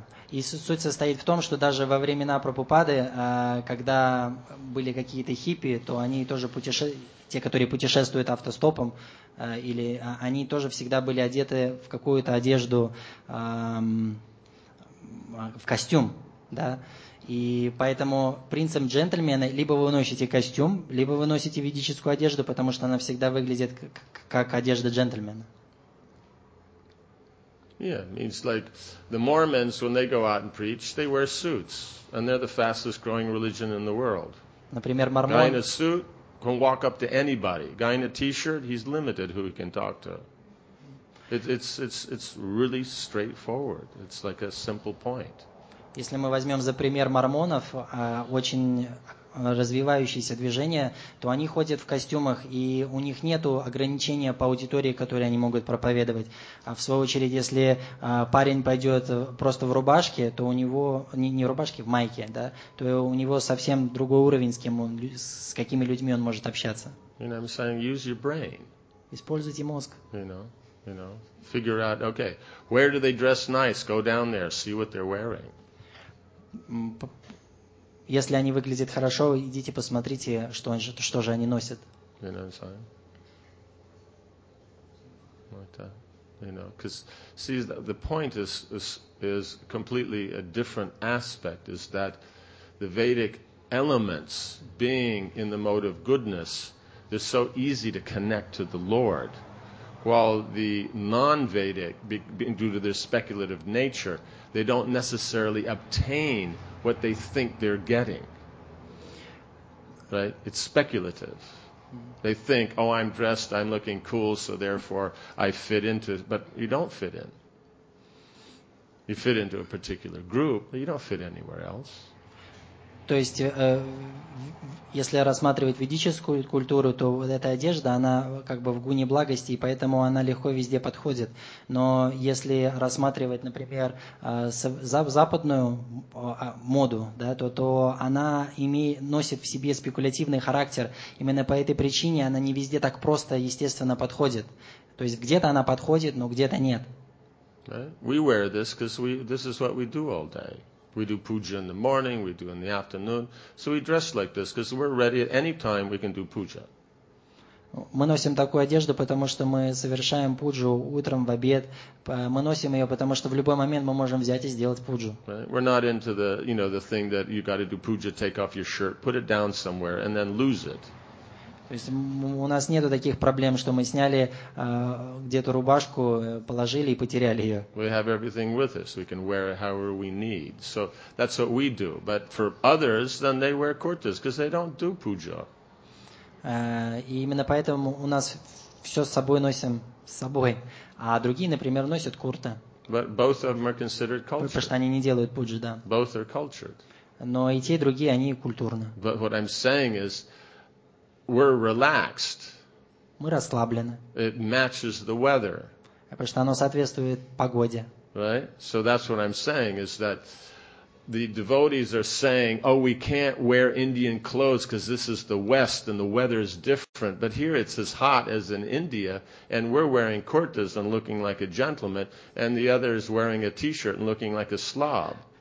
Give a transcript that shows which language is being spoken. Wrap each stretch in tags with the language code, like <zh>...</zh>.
<ru>И суть состоит в том, что даже во времена Прабхупады, когда были какие-то хиппи, то они тоже те, которые путешествуют автостопом, или они тоже всегда были одеты в какую-то одежду, в костюм, да. И поэтому принцип джентльмена, либо вы носите костюм, либо вы носите ведическую одежду, потому что она всегда выглядит как одежда джентльмена.</ru> <en>Yeah, it means like the Mormons, when they go out and preach, they wear suits, and they're the fastest growing religion in the world.</en> <ru>Например, мормон.</ru> <en>Guy in a suit can walk up to anybody. Guy in a t-shirt, he's limited who he can talk to. It's really straightforward. It's like a simple point.</en> <ru>Если мы возьмем за пример мормонов, очень развивающееся движение, то они ходят в костюмах, и у них нет ограничения по аудитории, которую они могут проповедовать. А в свою очередь, если парень пойдет просто в рубашке, то у него, не в рубашке, в майке, да, то у него совсем другой уровень, с какими людьми он может общаться.</ru> <en>You know, I'm saying, use your brain.</en> <ru>Используйте мозг.</ru> <en>You know, figure out, okay, where do they dress nice? Go down there, see what they're wearing.</en> <ru>Если они выглядят хорошо, идите посмотрите, что же они носят.</ru> <en>You know, it's fine. Like that. You know, because see, the point is completely a different aspect. Is that the Vedic elements, being in the mode of goodness, they're so easy to connect to the Lord, while the non-Vedic, due to their speculative nature, they don't necessarily obtain what they think they're getting. Right? It's speculative. They think, oh, I'm dressed, I'm looking cool, so therefore I fit into it. But you don't fit in. You fit into a particular group, but you don't fit anywhere else.</en> <ru>То есть, если рассматривать ведическую культуру, то вот эта одежда, она как бы в гуне благости, и поэтому она легко везде подходит. Но если рассматривать, например, западную моду, да, то она носит в себе спекулятивный характер. Именно по этой причине она не везде так просто, естественно, подходит. То есть где-то она подходит, но где-то нет.</ru> <en>We wear this because this is what we do all day. We do puja in the morning, we do in the afternoon. So we dress like this because we're ready at any time we can do puja.</en> <ru>Мы носим такую одежду, потому что мы совершаем пуджу утром, в обед. Мы носим ее, потому что в любой момент мы можем взять и сделать пуджу.</ru> <en>Right? We're not into the, you know, the thing that you got to do puja, take off your shirt, put it down somewhere and then lose it.</en> <ru>То есть у нас нету таких проблем, что мы сняли где-то рубашку, положили и потеряли ее.</ru> <en>We have everything with us. We can wear it however we need. So that's what we do. But for others, then they wear kurtas because they don't do puja.</en> <ru>И именно поэтому у нас все с собой носим с собой. А другие, например, носят курты.</ru> <en>But both of them are considered cultured.</en> <ru>Потому что они не делают пуджи, да.</ru> <en>Both are cultured.</en> <ru>Но и те, и другие, они культурны.</ru> <en>But what I'm saying is, we're relaxed.</en> <ru>Мы расслаблены.</ru> <en>It matches the weather.</en> <ru>Потому что оно соответствует погоде.</ru> <en>Right? So that's what I'm saying, is that the devotees are saying, oh, we can't wear Indian clothes because this is the West and the weather is different. But here it's as hot as in India, and we're wearing kurtas and looking like a gentleman, and the other is wearing a t-shirt and looking like a slob.</en>